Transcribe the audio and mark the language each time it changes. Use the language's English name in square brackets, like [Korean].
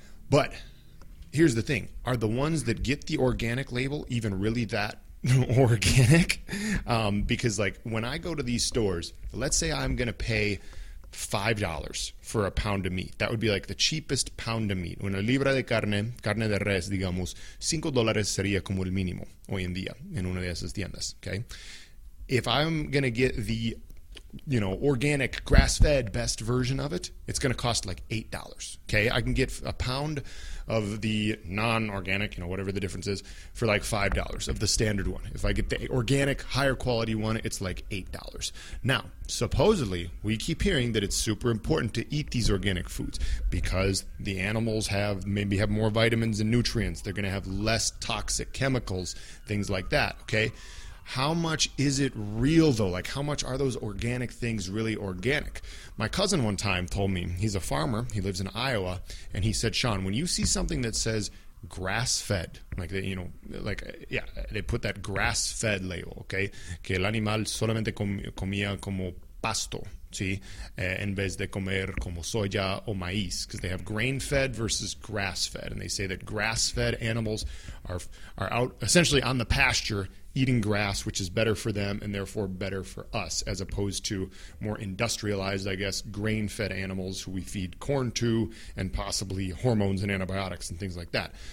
[English] But here's the thing. Are the ones that get the organic label even really that organic? Because like when I go to these stores, let's say I'm going to pay $5 for a pound of meat. That would be like the cheapest pound of meat. [Spanish] Una libra de carne, carne de res, digamos, $5 sería como el mínimo hoy en día en una de esas tiendas. Okay. [English] If I'm going to get the, you know, organic, grass-fed, best version of it, it's going to cost like $8, okay? I can get a pound of the non-organic, you know, whatever the difference is, for like $5 of the standard one. If I get the organic, higher quality one, it's like $8. Now, supposedly, we keep hearing that it's super important to eat these organic foods because the animals have maybe have more vitamins and nutrients. They're going to have less toxic chemicals, things like that, okay? How much is it real, though? Like, how much are those organic things really organic? My cousin one time told me, he's a farmer, he lives in Iowa, and he said, Sean, when you see something that says grass-fed, like, they, you know, like, yeah, they put that grass-fed label, okay? [Spanish] Que el animal solamente comía como pasto, ¿sí? En vez de comer como soya o maíz, [English] because they have grain-fed versus grass-fed, and they say that grass-fed animals are out, essentially on the pasture, eating grass, which is better for them and therefore better for us, as opposed to more industrialized, I guess, grain-fed animals who we feed corn to and possibly hormones and antibiotics and things like that.